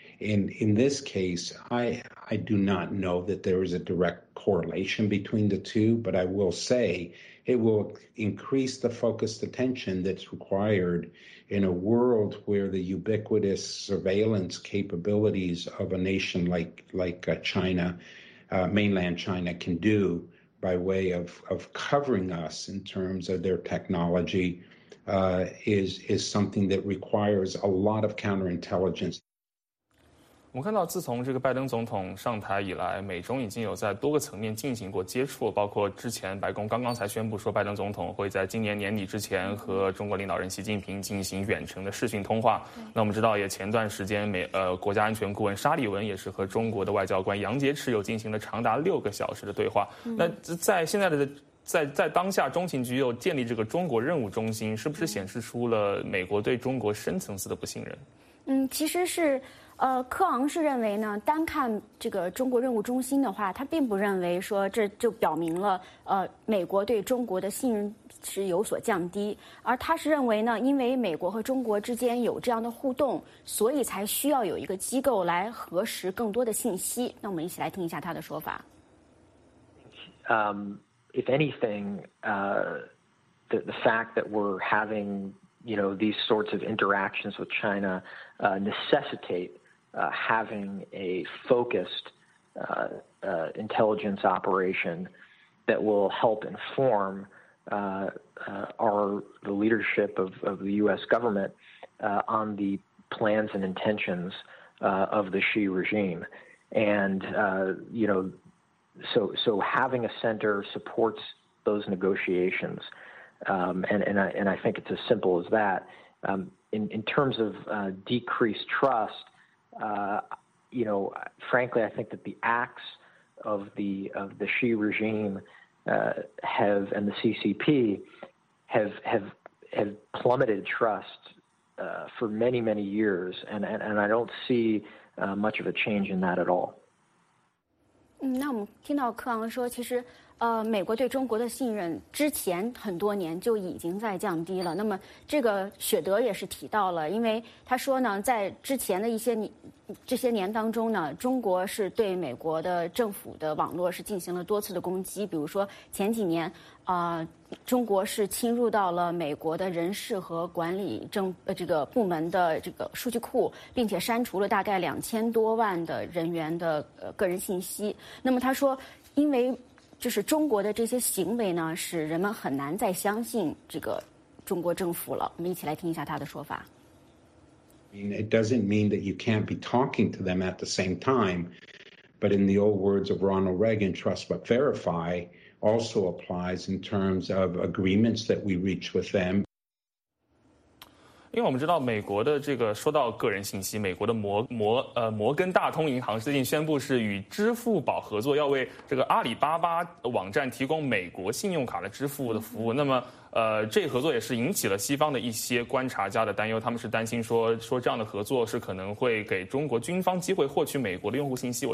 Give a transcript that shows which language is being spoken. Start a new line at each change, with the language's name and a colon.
English: In this case, I do not know that there is a direct correlation between the two, but I will say it will increase the focused attention that's required in a world where the ubiquitous surveillance capabilities of a nation like China, mainland China, can do by way of covering us in terms of their technology is something that requires a lot of counterintelligence.
Chinese: 我们看到自从这个拜登总统上台以来，美中已经有在多个层面进行过接触，包括之前白宫刚刚才宣布说拜登总统会在今年年底之前和中国领导人习近平进行远程的视讯通话。那我们知道也前段时间国家安全顾问沙利文也是和中国的外交官杨洁篪有进行了长达6个小时的对话。那在现在的在当下中情局又建立这个中国任务中心，是不是显示出了美国对中国深层次的不信任？其实是科昂是认为呢，单看这个中国任务中心的话，他并不认为说这就表明了美国对中国的信任是有所降低，而他是认为呢，因为美国和中国之间有这样的互动，所以才需要有一个机构来核实更多的信息。那我们一起来听一下他的说法。
English: If anything, the fact that we're having, you know, these sorts of interactions with China, necessitate. Having a focused intelligence operation that will help inform the leadership of the U.S. government on the plans and intentions of the Xi regime. And, you know, so having a center supports those negotiations. And I think it's as simple as that. In terms of decreased trust,you know, frankly, I think that the acts of the Xi regime have and the CCP have plummeted trust for many, many years, and I don't see much of a change in that at all.
Chinese: 那我们听到克昂说，其实美国对中国的信任之前很多年就已经在降低了。那么这个雪德也是提到了，因为他说呢，在之前的这些年当中呢，中国是对美国的政府的网络是进行了多次的攻击，比如说前几年中国是侵入到了美国的人事和管理这个部门的这个数据库，并且删除了大概2000多万的人员的个人信息。那么他说，因为就是中国的这些行为呢，使人们很难再相信这个中国政府了。我们一起来听一下他的说法。
English: I mean, it doesn't mean that you can't be talking to them at the same time, but in the old words of Ronald Reagan, trust but verify also applies in terms of agreements that we reach with them.
Chinese: 因为我们知道美国的这个说到个人信息，美国的摩根大通银行最近宣布是与支付宝合作，要为这个阿里巴巴网站提供美国信用卡的支付的服务。那么这合作也是引起了西方的一些观察家的担忧，他们是担心说这样的合作是可能会给中国军方机会获取美国的用户信息。